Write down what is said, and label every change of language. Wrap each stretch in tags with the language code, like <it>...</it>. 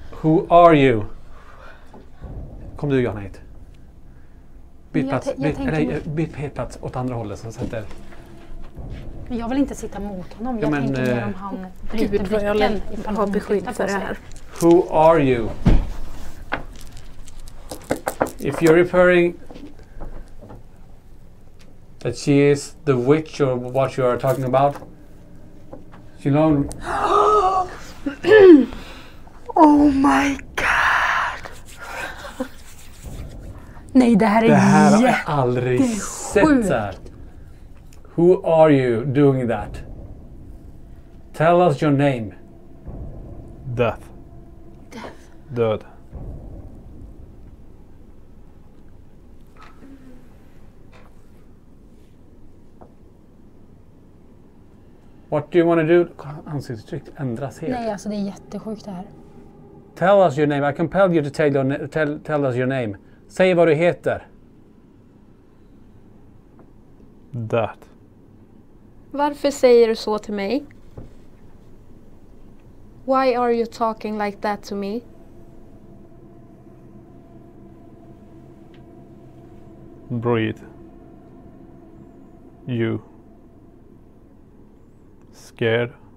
<en>Who are you?</en> <sv>Kom du, Johanna, hit. Byt jag plats. Byt helt plats åt andra hållet. Så sätter. Men jag vill inte sitta mot honom. Ja, jag men, tänker mer om han bryter gud, blicken. Gud vad jag har beskydd för det här.</sv> <en>Who are you? If you're referring that she is the witch or what you are talking about, she alone. Oh my god!</en> <sv>Nej, det här är jätte... Det här har jag aldrig sett så här.</sv> <en>Who are you doing that? Tell us your name. Death. Death.</en> <sv>Död.</sv> <en>What do you want to do?</en> <sv>Ansiktsuttrycket ändras helt. Nej, alltså det är jättesjukt det här.</sv> <en>Tell us your name. I compel you to tell us your name.</en> <sv>Säg vad du heter.</sv> <en>That.</en> <sv>Varför säger du så till mig?</sv> <en>Why are you talking like that to me? Breathe. You. Scared.</en>